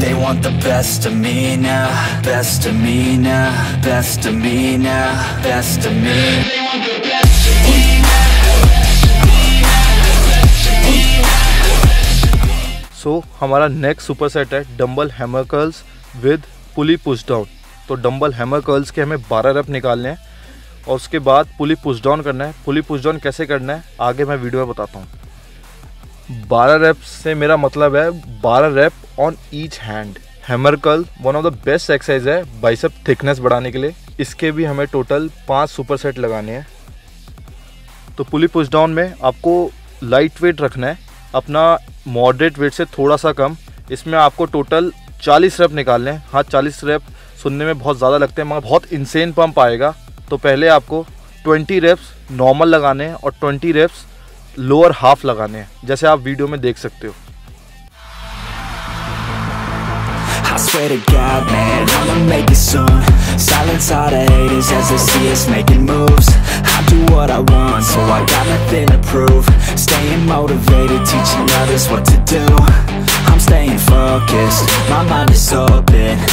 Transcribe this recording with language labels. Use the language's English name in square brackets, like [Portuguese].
[English] They want the best of me now, best of me now, best of me now, best of me. [Hindi] So, हमारा next superset है dumbbell hammer curls with pulley push down. तो dumbbell hammer curls के हमें 12 rep निकालने हैं, और उसके बाद पुली पुश डाउन करना है। पुली पुश डाउन कैसे करना है आगे मैं वीडियो में बताता हूँ। 12 रैप से मेरा मतलब है [English] 12 wrap on each hand. [Hindi] Hammer curl [English] one of the best [Hindi] exercise है बाइसेप थिकनेस बढ़ाने के लिए। इसके भी हमें टोटल 5 सुपरसेट लगाने हैं। तो पुली पुश डाउन में आपको लाइट वेट रखना है, अपना मॉडरेट वेट से थोड़ा सा कम। इसमें आपको टोटल 40 रैप निकालने हैं। हाँ, 40 रैप सुनने में बहुत ज़्यादा लगते हैं, मगर बहुत इनसेन पंप आएगा। तो पहले आपको 20 रेप्स नॉर्मल लगाने हैं और 20 रेप्स लोअर हाफ लगाने हैं, जैसे आप वीडियो में देख सकते हो। [English] I swear to God, man, I'ma make it soon. Silence all the haters as they see us making moves. I do what I want, so I got nothing to prove. Staying motivated, teaching others what to do. I'm staying focused, my mind is open.